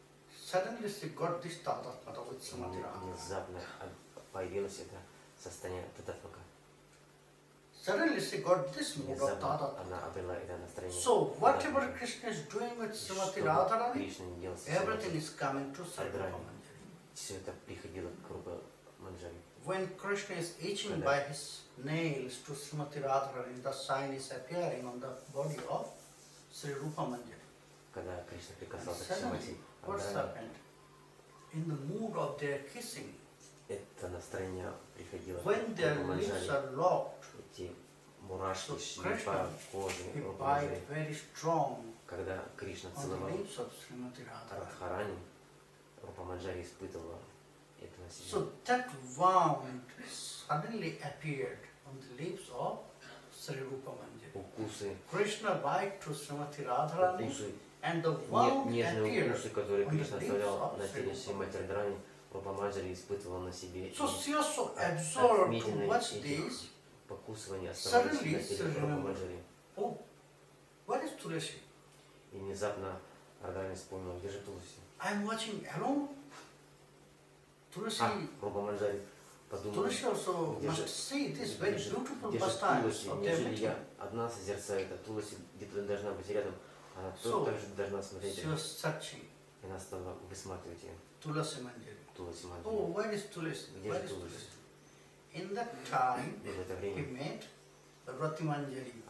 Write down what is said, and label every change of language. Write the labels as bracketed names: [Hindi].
[English] Suddenly she got this tadatmata with Srimati Radharani. [Russian] Внезапно появилось это состояние тадатмака. [English] Suddenly she got this mood of tadatmata. [Russian] Она обрела это настроение. [English] So whatever Krishna is doing with Srimati Radharani, everything is coming to Srimati Manjari. [Russian] Все это приходило к Рупе Манджари. [English] When Krishna is itching by his nails to Srimati Radharani, the sign is appearing on the body of Sri Rupa Manjari. [Russian] Когда Кришна прикасался к Шримати [English] Радхарани. In the mood of their kissing. [Russian] Это настроение приходило. [English] When their lips are locked. [Russian] Эти мурашки шли по коже. [English] Very strong. [Russian] Когда Кришна целовал Радхарани, Рупа Манджари испытывала это на себе. [English] So that wound suddenly appeared on the lips of Sri Rupa Manjari. [Russian] Укусы. [English] Krishna bite to Srimati Radharani. [Russian] Укусы. [English] And the wound appears. [Russian] Нежные укусы, которые Кришна оставлял на теле Шримати Радхарани, Рупа Манджари испытывал на себе. [English] So she was so absorbed to watch this. [Russian] Покусывание оставалось на теле Рупа Манджари. [English] Oh, where is Туласи? [Russian] И внезапно Радхарани вспомнил, где же Туласи? [English] I'm watching alone. Туласи. [Russian] Рупа Манджари подумал. [English] Туласи also must see this very beautiful pastime. [Russian] Где же Туласи? Неужели я одна созерцаю это? Туласи где-то должна быть рядом. Она тоже должна смотреть. [English] Searching. [Russian] Она стала высматривать ее. Туласи Манджари. Туласи Манджари. [English] Oh, where is Туласи? [Russian] Где же Туласи? [English] In that time, he met Рати Манджари.